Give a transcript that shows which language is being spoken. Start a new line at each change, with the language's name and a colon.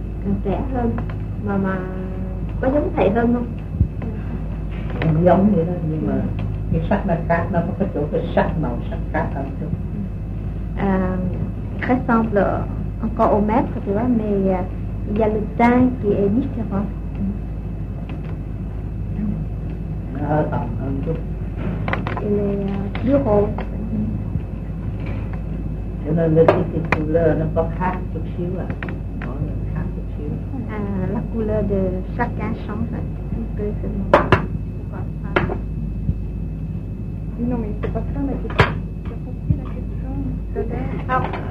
Vietnamese: càng trẻ hơn, mà có giống thầy hơn không? Giống vậy đó, nhưng mà cái sắc nó khác, nó có cái chỗ cái sắc màu sắc khác hơn chút.
French: Ressemble encore au maître, tu vois, mais il y a le teint qui est différent.
Vietnamese: Nó hơi tầm hơn chút.
French: Il est plus haut.
Vietnamese: Cho nên là cái couleur nó có khác chút xíu à, có khác chút xíu.
French: À, la couleur de chacun change un petit peu seulement. Non, mais pas ça la question. J'ai compris la question.